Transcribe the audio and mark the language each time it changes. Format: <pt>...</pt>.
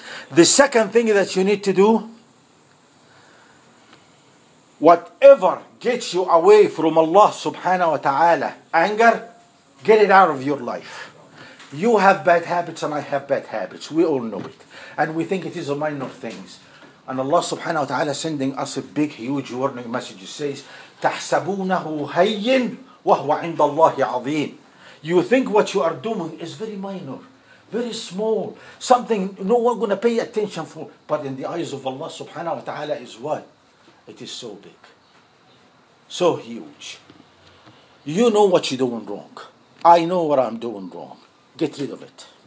<en>The second thing that you need to do, whatever gets you away from Allah subhanahu wa ta'ala, anger, get it out of your life. You have bad habits and I have bad habits. We all know it. And we think it is a minor thing. And Allah subhanahu wa ta'ala sending us a big, huge warning message. It says,</en> <ar>تَحْسَبُونَهُ هَيِّنُ وَهُوَ عِنْدَ اللَّهِ عَظِيمٌ.</ar> <en>You think what you are doing is very minor, very small, something no one going to pay attention for. But in the eyes of Allah subhanahu wa ta'ala is what? It is so big, so huge. You know what you're doing wrong. I know what I'm doing wrong. Get rid of it.</en>